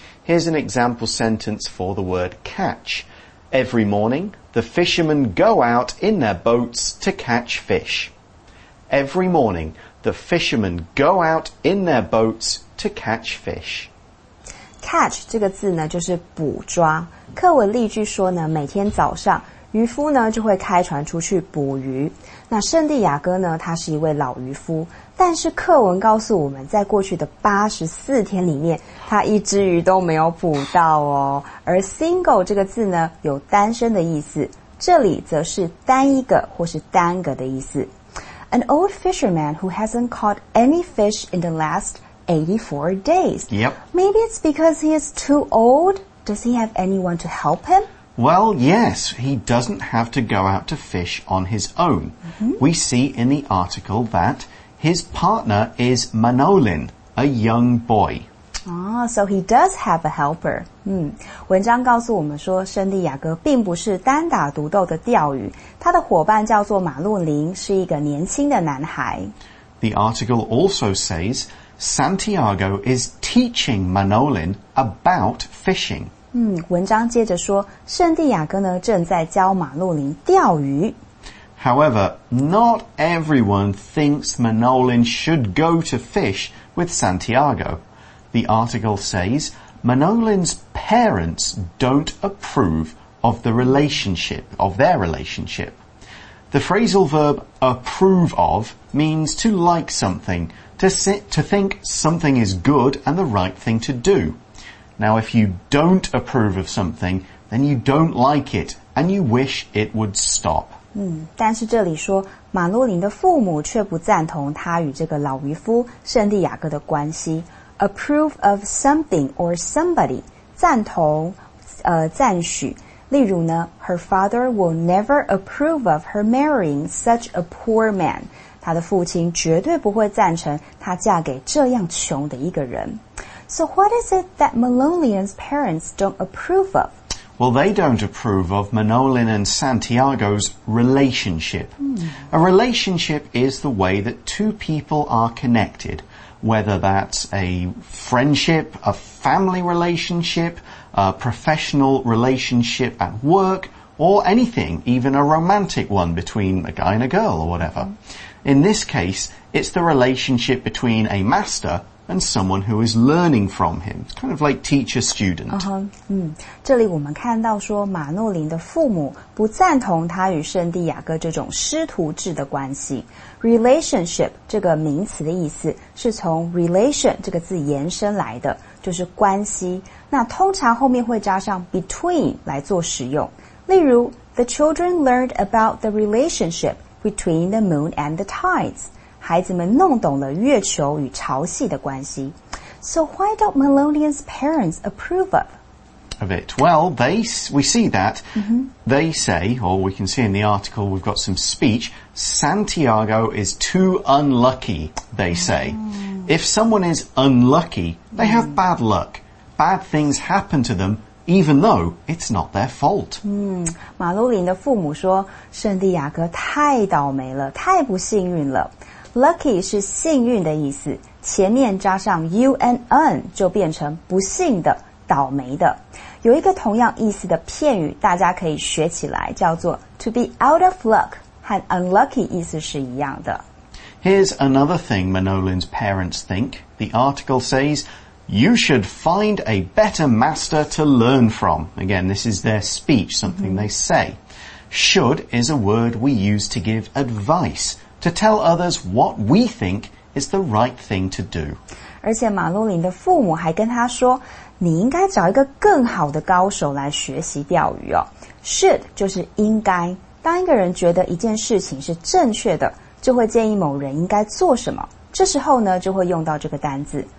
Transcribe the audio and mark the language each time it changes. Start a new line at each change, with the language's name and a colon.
English: Here's an example sentence for the word catch. Every morning, the fishermen go out in their boats to catch fish. Every morning, the fishermen go out in their boats to catch fish.
Chinese: Catch 这个字呢就是捕抓。课文例句说呢，每天早上渔夫呢就会开船出去捕鱼。那圣地亚哥呢，他是一位老渔夫，但是课文告诉我们，在过去的84天里面，他一只鱼都没有捕到哦。而 single 这个字呢，有单身的意思，这里则是单一个或是单个的意思。
English: An old fisherman who hasn't caught any fish in the last 84 days. Yep. Maybe it's because he is too old. Does he have anyone to help him? Well, yes, he doesn't have to go out to fish on his own.、Mm-hmm. We see in the article that his partner is Manolin, a young boy. Ah, so he does have a helper.、
Chinese: 文章告诉我们说圣地亚哥并不是单打独斗的钓鱼。他的伙伴叫做马洛林，是一个年轻的男孩。
English: The article also says Santiago is teaching Manolin about fishing.
Chinese: 文章接着说圣地亚哥呢正在教马洛林钓鱼。
English: However, not everyone thinks Manolin should go to fish with Santiago. The article says Manolin's parents don't approve of the relationship, of their relationship. The phrasal verb approve of means to like something, to think something is good and the right thing to do. Now, if you don't approve of something, then you don't like it, and you wish it would stop.
Chinese: 但是这里说马洛林的父母却不赞同他与这个老渔夫圣地亚哥的关系。
English: Approve of something or somebody,
Chinese: 赞同、赞许。例如呢
English: ,her father will never approve of her marrying such a poor man.
Chinese: 他的父亲绝对不会赞成他嫁给这样穷的一个人。
English: So what is it that Manolin's parents don't approve of? Well, they don't approve of Manolin and Santiago's relationship. A relationship is the way that two people are connected, whether that's a friendship, a family relationship, a professional relationship at work, or anything, even a romantic one between a guy and a girl or whatever. In this case, it's the relationship between a master... and someone who is learning from him. It's kind of like teacher-student.
Chinese: 这里我们看到说马诺林的父母不赞同他与圣地亚哥这种师徒制的关系。 Relationship 这个名词的意思是从 relation 这个字延伸来的，就是关系。那通常后面会加上 between 来做使用。例如
English: ,the children learned about the relationship between the moon and the tides.
Chinese: 孩子们弄懂了月球与潮汐的关系。
English: So why don't Melonian's parents approve of it? Well, we see that、they say, or we can see in the article, we've got some speech, Santiago is too unlucky, they say.、If someone is unlucky, they have bad luck. Bad things happen to them even though it's not their fault.
Chinese: 马路林的父母说圣地亚哥太倒霉了，太不幸运了。 Lucky 是幸运的意思，前面加上 UNN 就变成不幸的，倒霉的。有一个同样意思的片语大家可以学起来，叫做
English: to be out of luck，
Chinese: 和 unlucky 意思是一样的。
English: Here's another thing Manolin's parents think. The article says, you should find a better master to learn from. Again, this is their speech, something they say. Should is a word we use to give advice, to tell others what we think is the right thing to do.
Chinese: 而且马路林的父母还跟他说，你应该找一个更好的高手来学习钓鱼哦。 Should 就是应该，当一个人觉得一件事情是正确的，就会建议某人应该做什么，这时候呢就会用到这个单字。